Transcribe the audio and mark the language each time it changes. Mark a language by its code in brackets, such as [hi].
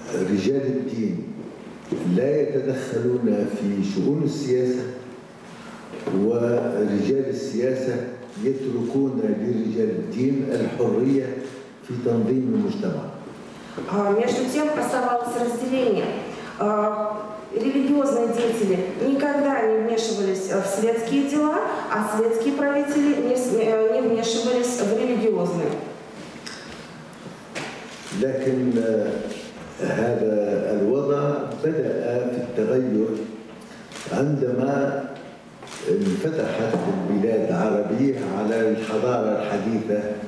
[ar] رجال الدين لا يتدخلون في شؤون السياسة ورجال السياسة يتركون لرجال الدين الحرية في تنظيم المجتمع. [ru] Между тем оставалось разделение. Религиозные деятели никогда не вмешивались в светские дела, а светские правители не вмешивались в религиозные. [ar] لكن هذا الوضع بدأ في التغير عندما انفتحت البلاد العربية على الحضارة الحديثة